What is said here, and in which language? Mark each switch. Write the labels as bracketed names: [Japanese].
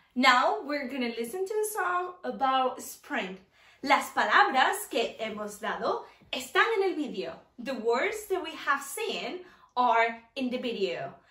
[English] Now we're gonna listen to a song about spring. [Spanish] Las palabras que hemos dado están en el video. [English] The words that we have seen are in the video.